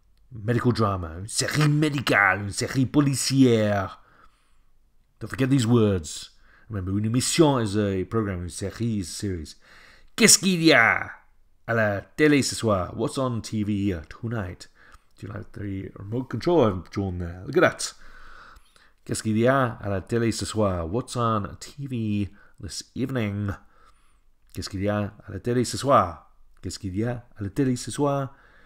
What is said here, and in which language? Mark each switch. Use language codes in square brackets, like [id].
[en] Medical drama, [fr] une série médicale, une série policière. [en] Don't forget these words. Remember, [fr] une émission [en] is a program, [fr] une série [en] is a series. [fr] Qu'est-ce qu'il y a à la télé ce soir? [en] What's on TV tonight? Do you like the remote control I've drawn there? Look at that. [fr] Qu'est-ce qu'il y a à la télé ce soir? [en] What's on TV this evening? [fr] Qu'est-ce qu'il y a à la télé ce soir? Qu'est-ce qu'il y a à la télé ce soir?